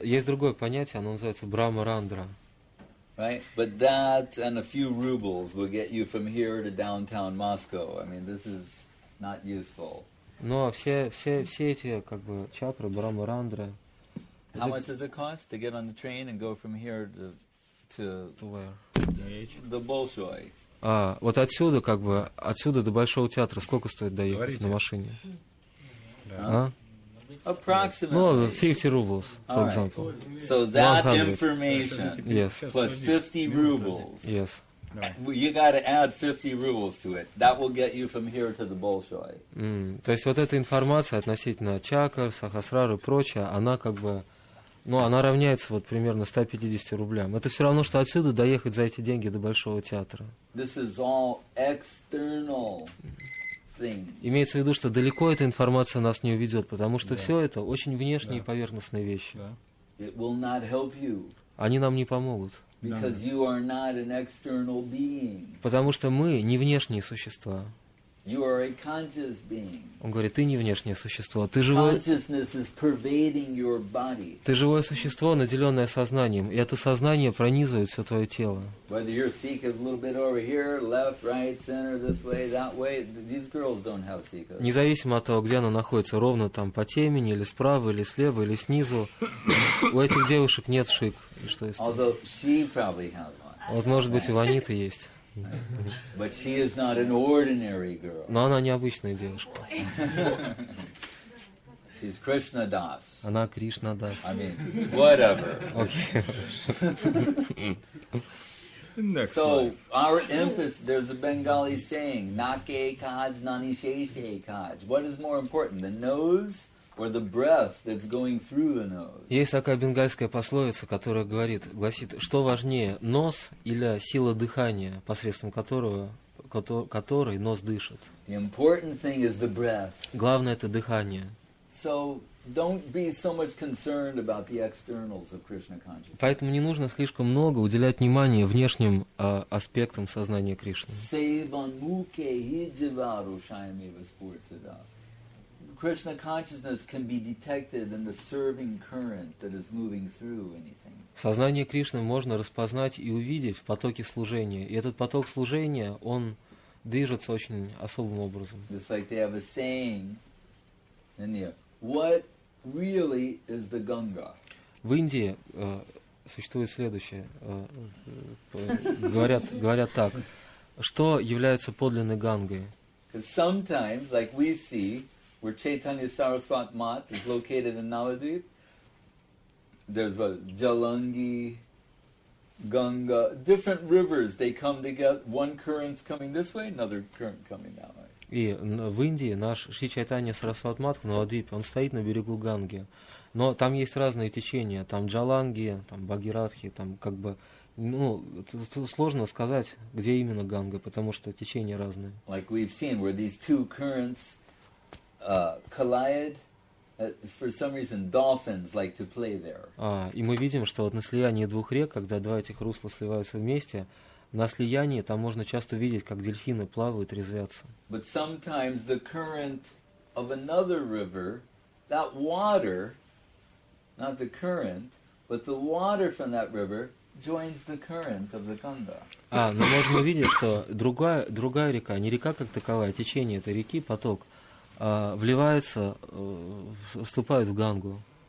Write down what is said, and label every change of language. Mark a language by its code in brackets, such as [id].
[ru] Есть другое понятие, оно называется Брахмарандра. [en] Right? But that and a few rubles will get you from here to downtown Moscow. I mean, this is not useful. [ru] Но все эти как бы чакры, Брахмарандра. [en] How much does it cost to get on the train and go from here to where? The Bolshoi. [ru] Вот отсюда как бы отсюда до Большого театра сколько стоит доехать? Говорите. На машине? Да. [en] Approximately. Well, 50 rubles, for right. example. So that 100. Information yes. plus 50 rubles. Yes. You got to add 50 rubles to it. That will get you from here to the Bolshoi. [ru] То есть вот эта информация относительно чакр, сахасрары и прочее, она как бы, ну, она равняется вот примерно 150 рублям. Это все равно, что отсюда доехать за эти деньги до Большого театра. [en] This is all external. [ru] Имеется в виду, что далеко эта информация нас не уведет, потому что все это очень внешние и поверхностные вещи. [en] It will not help you. [ru] Они нам не помогут. [en] Because you are not an external being. [ru] Потому что мы не внешние существа. [en] You are a conscious being. [ru] Он говорит, ты не внешнее существо. Ты живое... [en] Consciousness is pervading your body. [ru] Ты живое существо, наделенное сознанием, и это сознание пронизывает все твое тело. [en] Whether your sikha is a little bit over here, left, right, center, this way, that way, these girls don't have sikha. [ru] Независимо от того, где она находится, ровно там по темени, или справа, или слева, или снизу, у этих девушек нет шик. Что есть? [en] Although she probably has one. [ru] Вот, может быть, у Ваниты есть. [en] But she is not an ordinary girl. [ru] Но она необычная девушка. [en] She's Krishna Das. [ru] Она Кришна Дас. [en] I mean, whatever. Okay. Next so slide. Our emphasis, there's a Bengali saying, [bn] Nake Kaj Nani Sheshe Kaj. [en] What is more important, the nose or the breath that's going through the nose? [ru] Есть такая бенгальская пословица, которая говорит, гласит, что важнее, нос или сила дыхания, посредством которого, который нос дышит? [en] The important thing is the breath. [ru] Главное — это дыхание. [en] So don't be so much concerned about the externals of Krishna consciousness. [ru] Поэтому не нужно слишком много уделять внимание внешним аспектам сознания Кришны. [sa] Sevan mukhe hi jivaru shayameva spurtada. [en] Krishna consciousness can be detected in the serving current that is moving through anything. [ru] Сознание Кришны можно распознать и увидеть в потоке служения. И этот поток служения, он движется очень особым образом. [en] It's like they have a saying in India. What really is the Ganga? [ru] В Индии существует следующее. Говорят так. Что является подлинной Гангой? [en] Because sometimes, like we see, where Chaitanya Saraswat Math is located in Navadvip, there's a Jalangi, Ganga, different rivers, they come together, one current's coming this way, another current coming that way. [ru] И в Индии наш Шри Чайтанья Сарасват Матх, Навадвип, он стоит на берегу Ганги. Но там есть разные течения, там Джаланги, там Багиратхи, там как бы, ну, сложно сказать, где именно Ганга, потому что течения разные. [en] Like we've seen, where these two currents collide, for some reason, dolphins like to play there. [ru] И мы видим, что вот на слиянии двух рек, когда два этих русла сливаются вместе, на слиянии там можно часто видеть, как дельфины плавают, резвятся. [en] But sometimes the current of another river, that water, not the current, but the water from that river joins the current of the Ganga. [ru] Но можно увидеть, что другая река, не река как таковая, а течение этой реки, поток, вливается, вступает в Гангу.